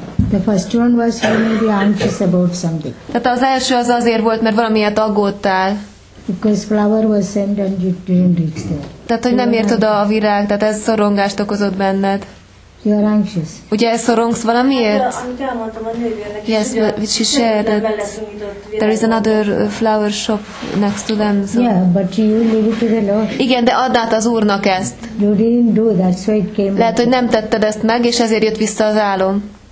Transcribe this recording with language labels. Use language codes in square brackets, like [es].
[en] The first one was you may be anxious about something. [hu] Tehát az első az azért volt, mert valamiért aggódtál. [en] Because flower was sent and you didn't reach there. [hu] Tehát, hogy nem ért oda a virág, tehát ez szorongást okozott benned. [en] You are anxious. [hu] Ugye ez szorongsz valamiért? [en] Yes, but she shared that there is another flower shop next to them. So. Yeah, but you leave it to the Lord. [hu] Igen, de add át az Úrnak ezt. [en] You didn't do that, so it came. [hu] Lehet, hogy nem tetted ezt meg, és ezért jött vissza az álom.